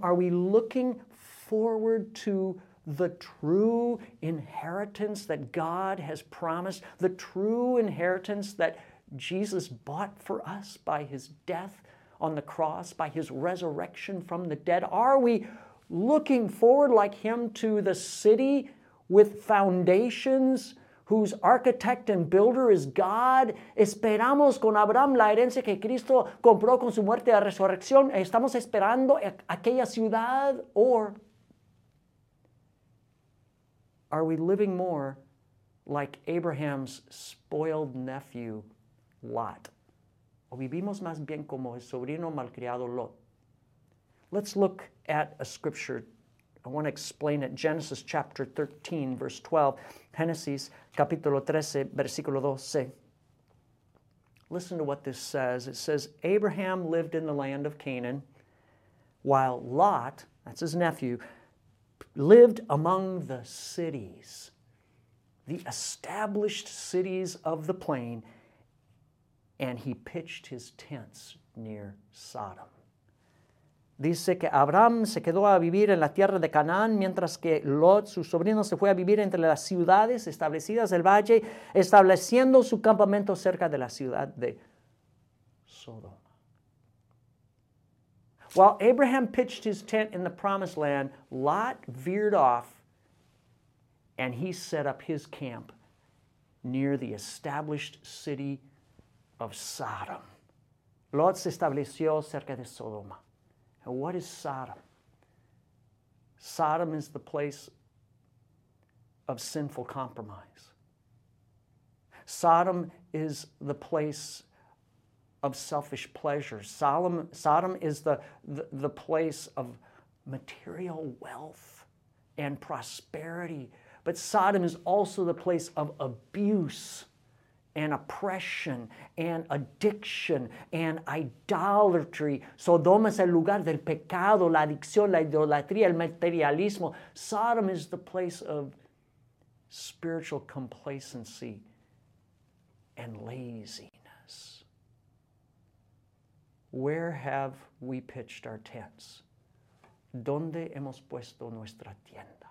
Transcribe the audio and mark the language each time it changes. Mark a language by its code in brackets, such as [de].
[en] Are we looking forward to the true inheritance that God has promised, the true inheritance that Jesus bought for us by his death on the cross, by his resurrection from the dead? Are we looking forward like him to the city with foundations whose architect and builder is God? [es] Esperamos con Abraham la herencia que Cristo compró con su muerte y resurrección. Estamos esperando aquella ciudad. [en] Or are we living more like Abraham's spoiled nephew, Lot? [es] ¿O vivimos más bien como el sobrino malcriado Lot? [en] Let's look at a scripture. I want to explain it. Genesis chapter 13, verse 12. [es] Génesis, capítulo 13, versículo 12. [en] Listen to what this says. It says, Abraham lived in the land of Canaan, while Lot, that's his nephew, lived among the cities, the established cities of the plain, and he pitched his tents near Sodom. [es] Dice que Abraham se quedó a vivir en la tierra de Canaán, mientras que Lot, su sobrino, se fue a vivir entre las ciudades establecidas del valle, estableciendo su campamento cerca de la ciudad de Sodoma. [en] While Abraham pitched his tent in the promised land, Lot veered off and he set up his camp near the established city of Sodom. [es] Lot se estableció cerca de Sodoma. [en] And what is Sodom? Sodom is the place of sinful compromise. Sodom is the place of selfish pleasure. Sodom is the place of material wealth and prosperity. But Sodom is also the place of abuse and oppression and addiction and idolatry. [es] Sodoma es el lugar del pecado, la adicción, la idolatría, el materialismo. [en] Sodom is the place of spiritual complacency and laziness. Where have we pitched our tents? [es] ¿Dónde hemos puesto nuestra tienda?